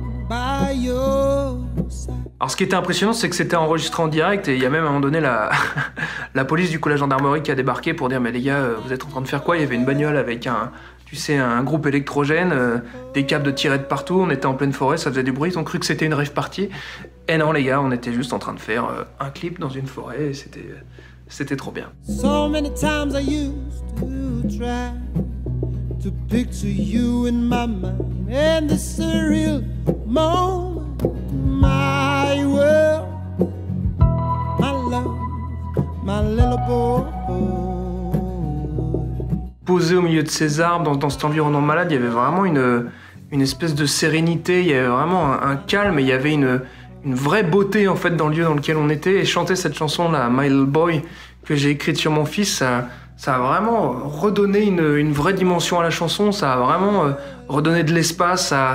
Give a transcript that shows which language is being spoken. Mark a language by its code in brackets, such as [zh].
[fr] Alors ce qui était impressionnant, c'est que c'était enregistré en direct et il y a même à un moment donné la police du collège gendarmerie qui a débarqué pour dire « Mais les gars, vous êtes en train de faire quoi ?» Il y avait une bagnole avec un groupe électrogène, des câbles de tirettes partout, on était en pleine forêt, ça faisait du bruit, ils ont cru que c'était une rave party. Et non les gars, on était juste en train de faire un clip dans une forêt et c'était trop bien. [en] So many times I used to try to picture you in my mind and the surreal moment my world my love my little boy. [fr] Posé au milieu de ces arbres dans cet environnement malade, il y avait vraiment une espèce de sérénité, il y avait vraiment un calme, il y avait une vraie beauté en fait dans le lieu dans lequel on était. Et chanter cette chanson là, My Little Boy, que j'ai écrite sur mon fils, ça a vraiment redonné une vraie dimension à la chanson, ça a vraiment redonné de l'espace.